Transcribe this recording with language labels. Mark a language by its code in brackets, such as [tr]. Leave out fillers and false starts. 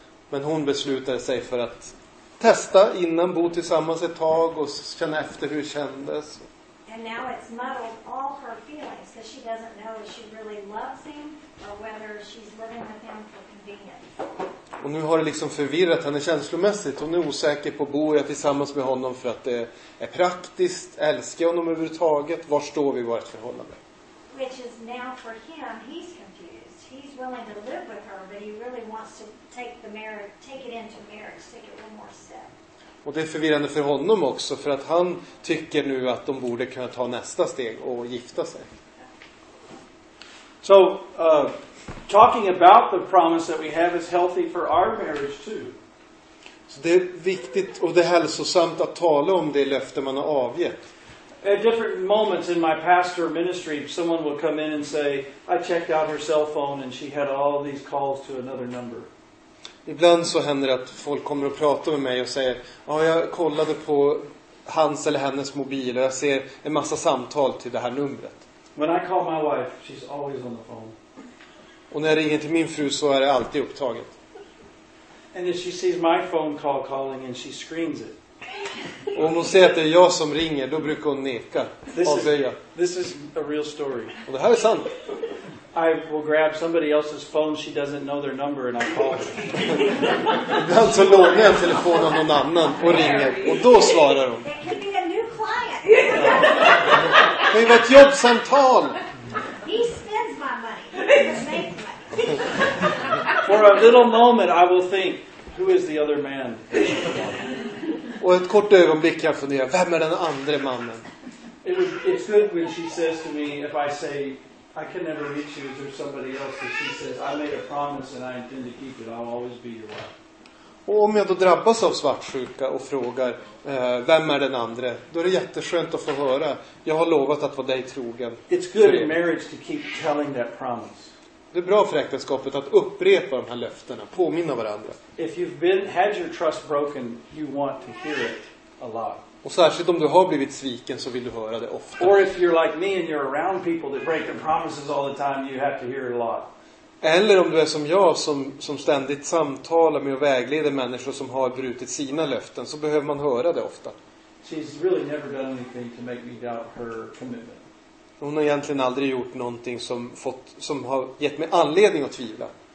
[sv] Men hon beslutade sig för att testa innan, bo tillsammans ett tag och känna efter hur det kändes. [en] And now it's muddled all her feelings because she doesn't know if she really loves him or whether she's living with him for convenience. [sv] Och nu har det liksom förvirrat henne känslomässigt. Hon är osäker på att bo jag tillsammans med honom för att det är praktiskt. Älskar jag honom överhuvudtaget? Var står vi i vårt förhållande? [en] Which is now for him, he's confused. He's willing to live with her, but he really wants to take the marriage, take it into marriage, take it one more step. [sv] Och det är förvirrande för honom också, för att han tycker nu att de borde kunna ta nästa steg och gifta sig. [en] So, talking about the promise that we have is healthy for our marriage too. [sv] Så det är viktigt och det är hälsosamt att tala om det löfte man har avgett. [en] At different moments in my pastor ministry, someone would come in and say, I checked out her cell phone and she had all these calls to another number. [sv] Ibland så händer det att folk kommer och pratar med mig och säger, ja, jag kollade på hans eller hennes mobil och jag ser en massa samtal till det här numret. [en] When I call my wife, she's always on the phone. [sv] Och när jag ringer till min fru så är det alltid upptaget. [en] And if she sees my phone call calling and she screens it. [sv] Och om hon säger att det är jag som ringer, då brukar hon neka. [en] This is a real story. [sv] Och det här är sant. [en] I will grab somebody else's phone she doesn't know their number and I call her. [sv] Ibland så lånar jag telefonen av någon annan och ringer. Och då svarar hon. [en] It could be a new client. [sv] Det kan ju vara ett jobbsamtal. [en] He spends my money. He makes money. For a little moment I will think, who is the other man? [sv] Och ett kort ögonblick kan jag fundera, vem är den andra mannen? [en] It's good when she says to me, if I say, I can never reach you through somebody else, but she says, I made a promise and I intend to keep it, I'll always be your wife. [sv] Och om jag då drabbas av svartsjuka och frågar, vem är den andra? Då är det jätteskönt att få höra, jag har lovat att vara dig trogen. [en] It's good in marriage to keep telling that promise. [sv] Det är bra för äktenskapet att upprepa de här löftena, påminna varandra. [en] If you've been, had your trust broken, you want to hear it a lot. [sv] Och särskilt om du har blivit sviken så vill du höra det ofta. [en] Or if you're like me and you're around people that break their promises all the time, you have to hear it a lot. [sv] Eller om du är som jag som ständigt samtalar med och vägleder människor som har brutit sina löften, så behöver man höra det ofta. [en] She's really never done anything to make me doubt her commitment. [sv] Hon har egentligen aldrig gjort någonting som har gett mig anledning att tvivla.